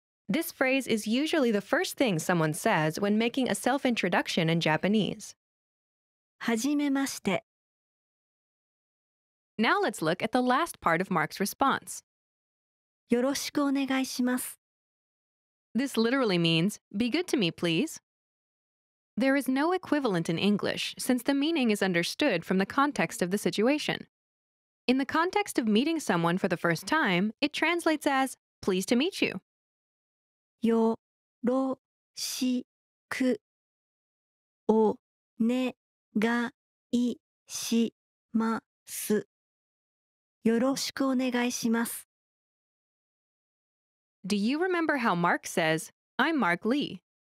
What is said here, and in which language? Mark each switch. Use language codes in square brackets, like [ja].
[en] This phrase is usually the first thing someone says when making a self-introduction in Japanese. [ja] はじめまして。 [en] Now let's look at the last part of Mark's response. [ja] よろしくお願いします。 [en] This literally means, be good to me, please. There is no equivalent in English, since the meaning is understood from the context of the situation. In the context of meeting someone for the first time, it translates as, pleased to meet you. [ja] よろしくお願いします。よろしくお願いします。 [en] Do you remember how Mark says, I'm Mark Lee?